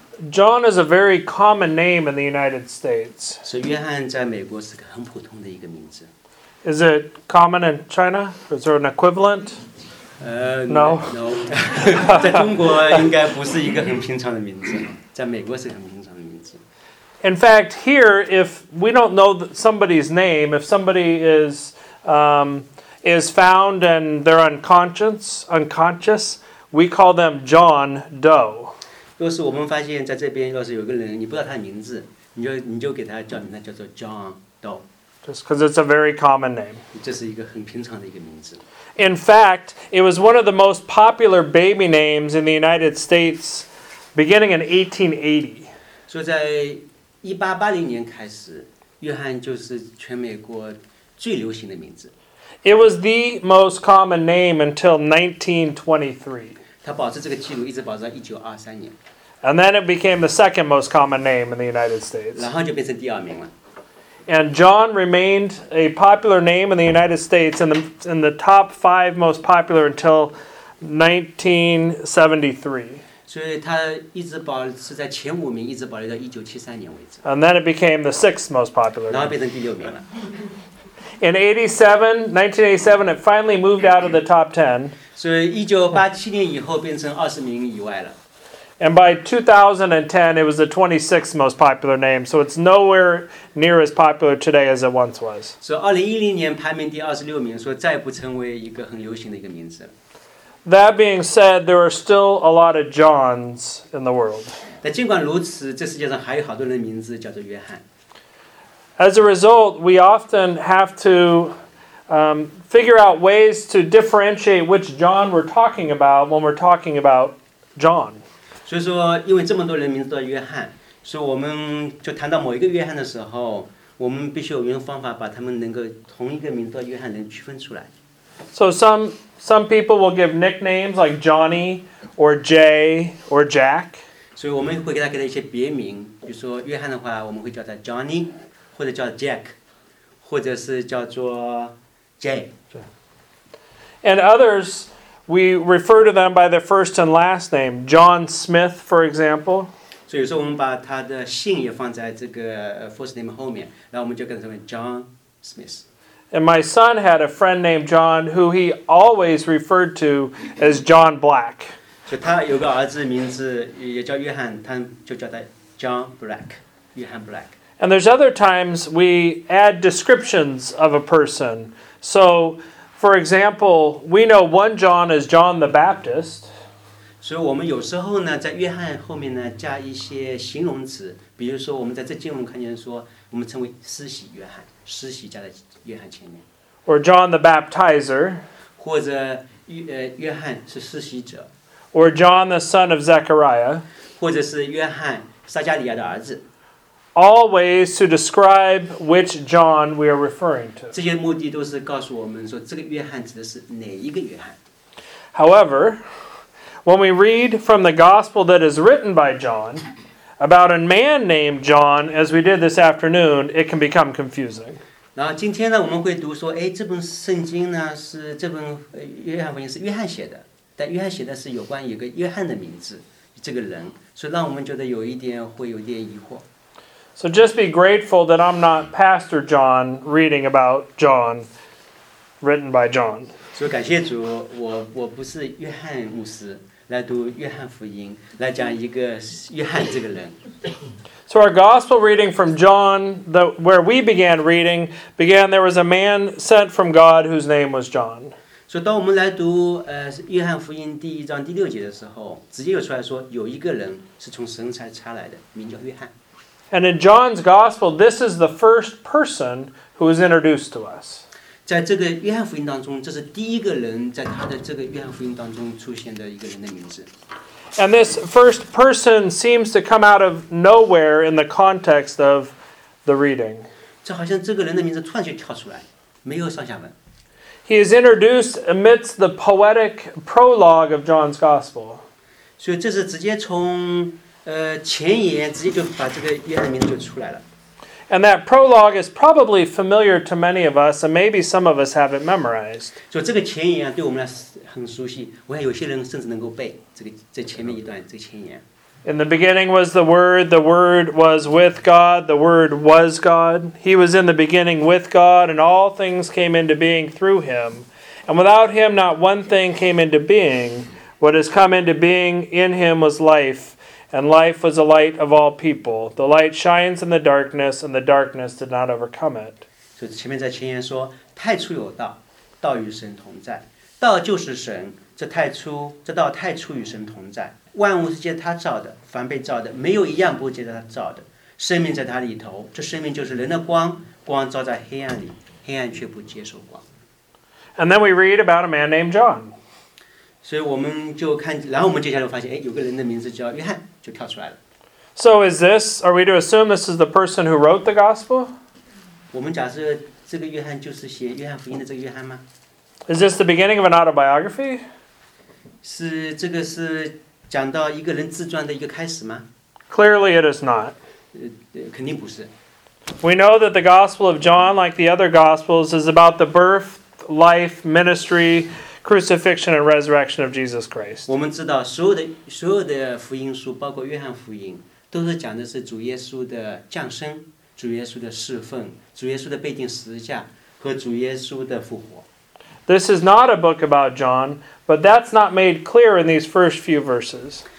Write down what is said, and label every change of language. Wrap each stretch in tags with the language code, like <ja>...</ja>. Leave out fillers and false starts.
<en>John is a very common name in the United States. So,</en> <zh>约翰在美国是个很普通的一个名字。</zh> <en>Is it common in China? Is there an equivalent? No.</en> <zh>在中国应该不是一个很平常的名字，在美国是很平常的名字。</zh> <en>In fact, here, if we don't know somebody's name, if somebody is found and they're unconscious, we call them John Doe.</en> <zh>若是我们发现在这边，若是有个人你不知道他的名字，你就给他叫名字，叫做 John Doe.</zh> <en>Just because it's a very common name.</en> <zh>这是一个很平常的一个名字。</zh> <en>In fact, it was one of the most popular baby names in the United States beginning in 1880.</en> <zh>所以在1880年开始，约翰就是全美国最流行的名字。</zh> <en>It was the most common name until 1923.</en> <zh>他保持这个记录一直保持到1923年。</zh> <en>And then it became the second most common name in the United States.</en> <zh>然后就变成第二名了。</zh> <en>And John remained a popular name in the United States in the top five most popular until 1973.</en> <zh>所以他一直保持在前五名，一直保留到1973年为止。</zh> <en>And then it became the sixth most popular name.</en> <zh>然后变成第六名了。</zh> <en>In 1987, it finally moved out of the top 10.</en> <zh>所以1987年以后变成20名以外了。</zh> <en>And by 2010, it was the 26th most popular name. So it's nowhere near as popular today as it once was.</en> <zh>所以2010年排名第26名，所以再不成为一个很流行的一个名字。</zh> <en>That being said, there are still a lot of Johns in the world.</en> <zh>但尽管如此，这世界上还有好多人的名字叫做约翰。</zh> <en>As a result, we often have to figure out ways to differentiate which John we're talking about when we're talking about John.</en> <zh>所以说，因为这么多人名字都叫约翰，所以我们就谈到某一个约翰的时候，我们必须有一种方法把他们能够同一个名字叫约翰能区分出来。</zh> <en>So some people will give nicknames like Johnny or Jay or Jack.</en> <zh>所以我们会给他一些别名，比如说约翰的话，我们会叫他 Johnny。或者叫 Jack, 或者是叫做 Jay.</zh> <en>And others, we refer to them by their first and last name. John Smith, for example.</en> <zh>所以说我们把他的姓也放在这个 first name 后面，然后我们就跟他们 John Smith.</zh> <en>And my son had a friend named John who he always referred to as John Black.</en> <zh>所以他有个儿子名字也叫约翰，他就叫他 John Black, 约翰 Black.</zh> <en>And there's other times we add descriptions of a person. So, for example, we know one John is John the Baptist. So,</en> <zh>我们有时候呢，在约翰后面呢，加一些形容词。比如说，我们在这经文看见说，我们称为施洗约翰，施洗加在约翰前面。</zh> <en>Or John the Baptizer.</en> <zh>或者约翰是施洗者。</zh> <en>Or John the son of Zechariah.</en> <zh>或者是约翰撒加利亚的儿子。</zh> <en>all ways to describe which John we are referring to.</en> <zh>这些目的都是告诉我们说这个约翰指的是哪一个约翰。</zh> <en>However, when we read from the gospel that is written by John about a man named John, as we did this afternoon, it can become confusing.</en> <zh>然后今天呢，我们会读说，哎，这本圣经呢是这本约翰福音是约翰写的，但约翰写的是有关一个约翰的名字，这个人，所以让我们觉得有一点会有点疑惑。</zh> <en>So just be grateful that I'm not Pastor John reading about John, written by John.</en> <zh>所以感谢主，我不是约翰牧师来读约翰福音，来讲一个约翰这个人。</zh> <en>So our gospel reading from John, where we began reading, began, there was a man sent from God whose name was John. So when we read John</en> <zh>福音第一章第六节的时候，直接就出来说有一个人是从神才差来的，名叫约翰。</zh> <en>And in John's gospel, this is the first person who is introduced to us.</en> <zh>在这个约翰福音当中，这是第一个人在他的这个约翰福音当中出现的一个人的名字。</zh> <en>And this first person seems to come out of nowhere in the context of the reading.</en> <zh>这好像这个人的名字突然就跳出来，没有上下文。</zh> <en>He is introduced amidst the poetic prologue of John's Gospel.</en> <zh>所以这是直接从前言直接就把这个约翰的名字就出来了。</zh> <en>And that prologue is probably familiar to many of us, and maybe some of us have it memorized. So this</en> <zh>前言对我们来很熟悉，我看有些人甚至能够背这个这前面一段这个前言。</zh> <en>In the beginning was the Word was with God, the Word was God. He was in the beginning with God, and all things came into being through Him. And without Him, not one thing came into being. What has come into being in Him was life. And life was the light of all people. The light shines in the darkness, and the darkness did not overcome it. So,</en> <zh>前面在前言说，太初有道，道与神同在，道就是神。这道太初与神同在。万物是借他造的，凡被造的，没有一样不借他造的。生命在他里头，这生命就是人的光，光照在黑暗里，黑暗却不接受光。</zh> <en>And then we read about a man named John.</en> <zh>所以我们就看，然后我们接下来就发现，哎，有个人的名字叫约翰，就跳出来了。</zh> <en>So is this? Are we to assume this is the person who wrote the gospel?</en> <zh>我们假设这个约翰就是写约翰福音的这个约翰吗</zh> <en>？Is this the beginning of an autobiography?</en> <zh>是这个是讲到一个人自传的一个开始吗</zh> <en>？Clearly, it is not.</en> <zh>肯定不是。</zh> <en>We know that the Gospel of John, like the other Gospels, is about the birth, life, ministry. Crucifixion and resurrection of Jesus Christ.</en> <zh>我们知道所有的福音书，包括约翰福音，都是讲的是主耶稣的降生、主耶稣的侍奉、主耶稣的被钉十字架和主耶稣的复活。</zh> <en>This is not a book about John, but that's not made clear in these first few verses.</en>